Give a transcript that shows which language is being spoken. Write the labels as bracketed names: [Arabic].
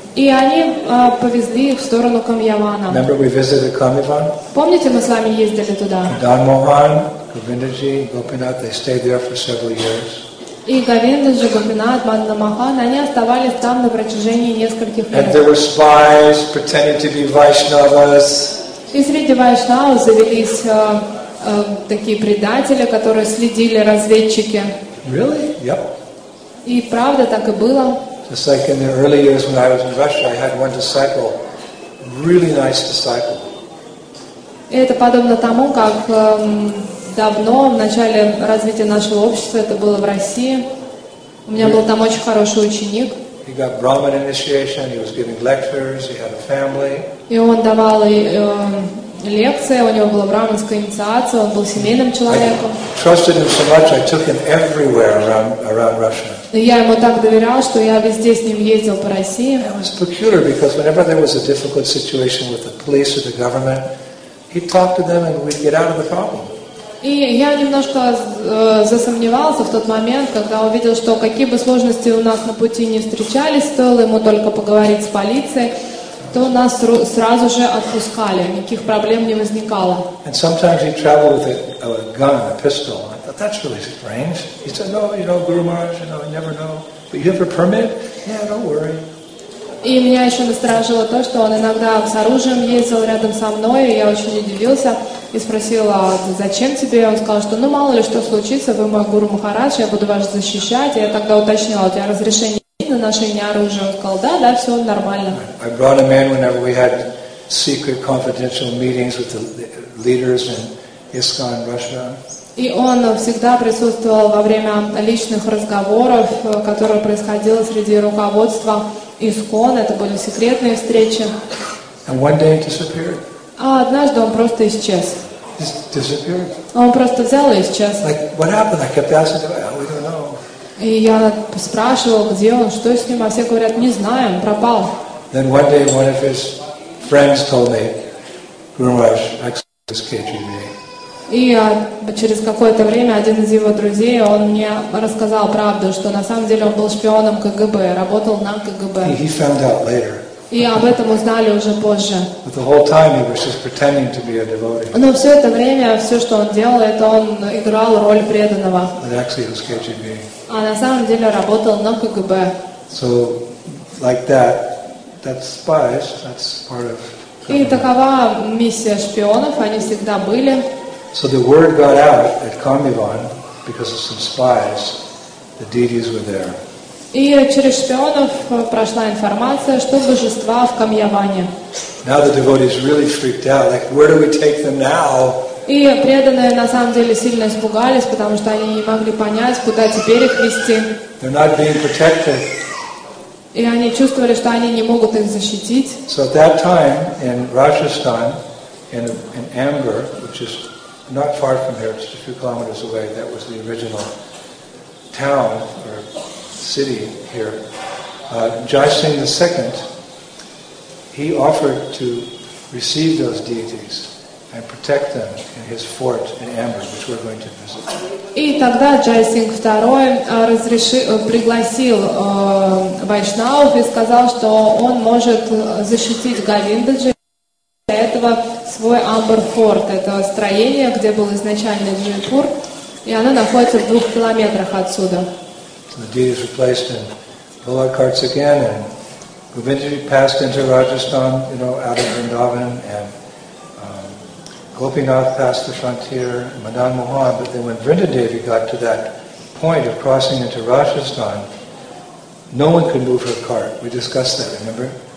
[Russian] И они повезли их в сторону Камьявана. [English] Remember we visited Камьяван? [Russian] Помните, мы с вами ездили туда? [English] Дан Мохан, Говиндаджи, Гопинатха, they stayed there for several years. [Russian] И Говинда Джагупинатха, Амадна Махан, они оставались там на протяжении нескольких лет. [English] And there were spies pretending to be Vaishnavas. [Russian] И среди вайшнавов завелись такие предатели, которые следили разведчики. [English] Really? Yep. [Russian] И правда так и было. [English] Just like in the early years when I was in Russia, I had one disciple, really nice disciple. [Russian] Это подобно тому, как давно в начале развития нашего общества это было в России. У меня был там очень хороший ученик. [English] He got Brahman initiation. He was giving lectures. He had a family. [Russian] И он давал лекция, у него была брахманская инициация, он был семейным человеком. [English] I trusted him so much, I took him everywhere around Russia. [Russian] Я ему так доверял, что я везде с ним ездил по России. [English] It was peculiar because whenever there was a difficult situation with the police or the government, he'd talk to them and we'd get out of the problem. [Russian] И я немножко засомневался в тот момент, когда увидел, что какие бы сложности у нас на пути не встречались, стоило ему только поговорить с полицией, то нас сразу же отпускали, никаких проблем не возникало. [English] And sometimes he traveled with a gun, a pistol. I thought, that's really strange. He said, no, you know, Guru Maharaj, you know, you never know. But you have a permit? Yeah, don't worry. [Russian] И меня еще насторожило то, что он иногда с оружием ездил рядом со мной, и я очень удивился. и спросила, зачем тебе? Он сказал, что ну мало ли что случится, вы мой гуру Махарадж, я буду вас защищать. И я тогда уточнила, у тебя разрешение на ношение оружия? Он сказал, да, да, все нормально. [English] I brought him in whenever we had secret confidential meetings with the leaders in ISKCON, Russia. [Russian] И он всегда присутствовал во время личных разговоров, которые происходили среди руководства ИСКОН. Это были секретные встречи. [English] And one day it disappeared. [Russian] А однажды он просто исчез. [English] Disappeared. [Russian] Он просто взял и исчез. [English] Like, what happened? I kept asking, we don't know. [Russian] И я спрашивал, где он, что с ним, а все говорят, не знаем, пропал. [English] Then one day one of his friends told me, Guru Maharaj accepted his KGB. [Russian] И через какое-то время один из его друзей, он мне рассказал правду, что на самом деле он был шпионом КГБ, работал на КГБ. [English] He found out later. [Russian] И об этом узнали уже позже. [English] But the whole time he was just pretending to be a devotee. [Russian] Но все это время, все, что он делал, это он играл роль преданного. [English] But actually he was KGB. [Russian] А на самом деле работал на КГБ. [English] So, like that, that's spies, that's part of [Russian] И такова миссия шпионов, они всегда были. [English] So the word got out at Kamivan because of some spies. The deities were there. [Russian] И через шпионов прошла информация, что божества в Камьяване. [English] Now the devotees really freaked out. Like, where do we take them now? И преданные на самом деле сильно испугались, потому что они не могли понять, куда теперь их вести. They're not being protected. И они чувствовали, что они не могут их защитить. So at that time in Rajasthan, in Amber, which is not far from here, just a few kilometers away, that was the original town or city here. Jai Singh II, he offered to receive those deities and protect them in his fort in Amber, which we're going to visit. [Russian] И тогда Джай Сингх II пригласил вайшнавов и сказал, что он может защитить Говиндаджи. Этого свой Амбер Форт, это строение, где был изначально Джайпур, и оно находится в 2 километрах отсюда. [English] The deities were placed in Bullock carts again, and Govindji passed into Rajasthan, you know, out of Vrindavan, and Gopinath passed the frontier, Madan Mohan, but then when Vrindadevi got to that point of crossing into Rajasthan, no one could move her cart. We discussed that, remember?